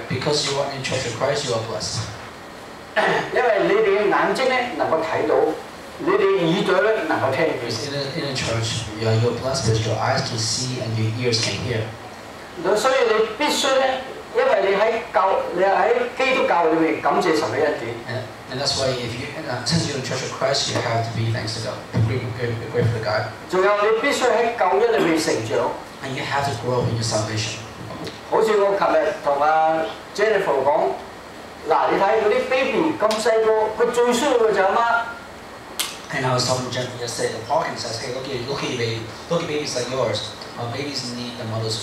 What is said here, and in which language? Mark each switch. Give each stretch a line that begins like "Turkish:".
English: Because you are in church of Christ, you are blessed.
Cantonese: 因為你哋眼睛咧能夠睇到。你哋耳朵咧能夠聽。
English: In a church, you're blessed because your eyes can see and your ears can hear.
Cantonese: 所以你必須咧，因為你喺基督教裏面感謝神嘅恩典。
English: And that's why since you're in church of Christ, you have to be thanks to God, grateful to God.
Cantonese: 仲有你必須喺救恩裏面成長。
English: And you have to grow in your salvation.
Cantonese: 好似我琴日同阿 Jennifer 講，嗱，你睇嗰啲 baby 咁細個，佢最需要嘅就係媽。
English: And I was talking to Jennifer yesterday, the parking says, hey, look at you, baby. Look at babies like yours. Babies need the mother's